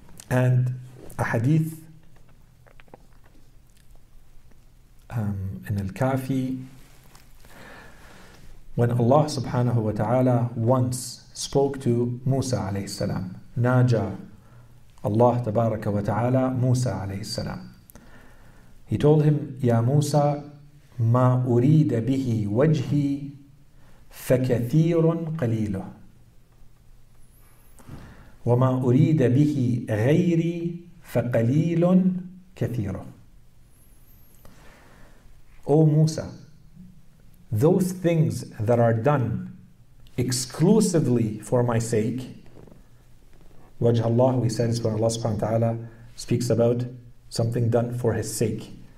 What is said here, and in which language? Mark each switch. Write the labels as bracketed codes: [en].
[en] And a hadith in Al-Kafi, when Allah subhanahu wa ta'ala once spoke to Musa alayhi salam, [ar] Naja Allah tabaraka wa ta'ala Musa alayhi salam. [en] He told him, [ar] Ya Musa, ma urida bihi wajhi فكثير قليله وما أريد به غيري فقليل كثيره. [en] O Musa, those things that are done exclusively for my sake, وجه الله, we said, is when Allah subhanahu wa ta'ala speaks about something done for his sake.